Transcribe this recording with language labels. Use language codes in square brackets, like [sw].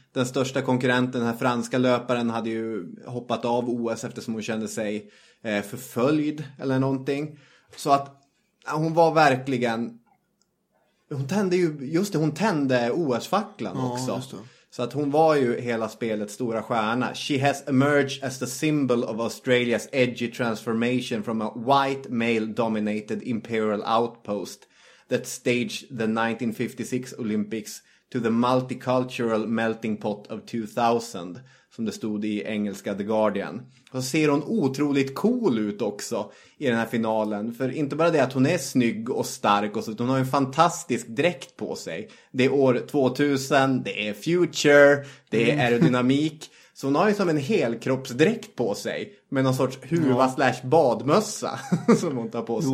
[sv] Den största konkurrenten, den här franska löparen, hade ju hoppat av OS eftersom hon kände sig förföljd eller någonting. Så att hon var verkligen, hon tände OS-facklan också. Så att hon var ju hela spelets stora stjärna. [en] She has emerged as the symbol of Australia's edgy transformation from a white male-dominated imperial outpost that staged the 1956 Olympics to the multicultural melting pot of 2000, [sv] som det stod i engelska The Guardian. Och så ser hon otroligt cool ut också i den här finalen. För inte bara det att hon är snygg och stark och så, hon har en fantastisk dräkt på sig. Det är år 2000, det är future, det är aerodynamik. Så hon har ju som en helkroppsdräkt på sig. Med någon sorts huva/badmössa som hon tar på sig.